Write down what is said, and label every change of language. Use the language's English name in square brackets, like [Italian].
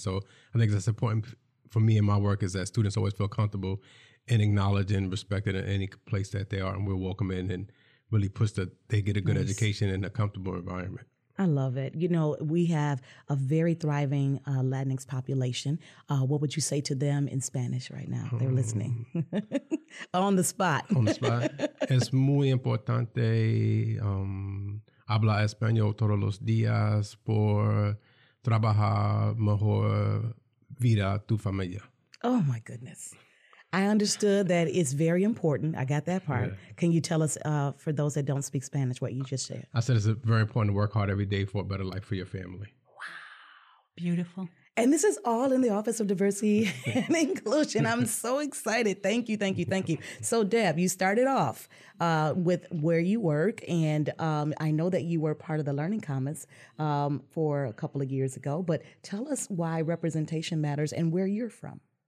[English] So I think that's important for me in my work is that students always feel comfortable and acknowledged and respected in any place that they are. And we're welcome in and really push that they get a good education in a comfortable environment. I love it. You know, we have a very thriving Latinx population. What would you say to them in Spanish right now? They're listening. On the spot. On the spot. [Spanish] Es muy importante hablar español todos los días por trabajar mejor vida tu familia. [English] Oh, my goodness. I understood that it's very important. I got that part. Yeah. Can you tell us, for those that don't speak Spanish, what you just said? I said it's very important to work hard every day for a better life for your family. Wow. Beautiful. And this is all in the Office of Diversity and Inclusion. I'm so excited. Thank you, thank you, thank you. So, Deb, you started off with where you work, and I know that you were part of the Learning Commons for a couple of years ago, but tell us why representation matters and where you're from.